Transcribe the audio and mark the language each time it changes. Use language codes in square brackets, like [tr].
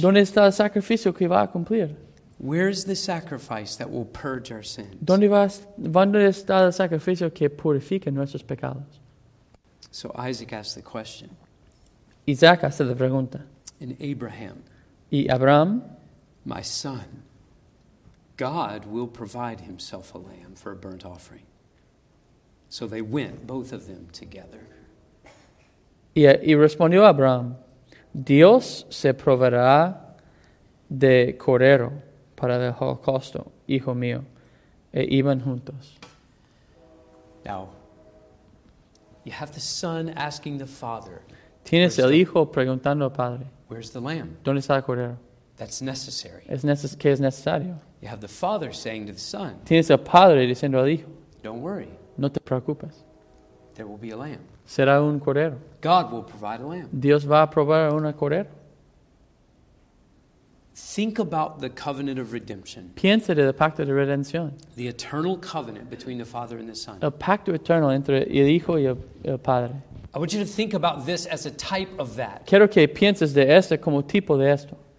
[es] ¿Dónde está el sacrificio que va a cumplir? [en] Where is the sacrifice that will purge our sins? [es] ¿Dónde está el sacrificio que purifica nuestros pecados? [en] So Isaac asked the question. [es] Isaac hace la pregunta. [en] And Abraham. [es] Y Abraham. [en] My son, God will provide himself a lamb for a burnt offering. So they went, both of them, together. [es] Y respondió Abraham, Dios se proveerá de cordero para el holocausto, hijo mío. E iban juntos. [en] Now, you have the son asking the father. [es] Tienes el hijo preguntando al padre. [en] Where's the lamb? [es] ¿Dónde está el cordero? [en] That's necessary. [es] ¿Qué es necesario? [en] You have the father saying to the son. [es] Tienes el padre diciendo al hijo. [en] Don't worry. [es] No te preocupes. [en] There will be a lamb. [es] Será un cordero. [en] God will provide a lamb. [es] Dios va a proveer un cordero. [en] Think about the covenant of redemption. [es] Piensa en el pacto de redención. [en] The eternal covenant between the father and the son. [es] El pacto eterno entre el hijo y el padre. [en] I want you to think about this as a type of that. [es] Quiero que pienses de esto como tipo de esto.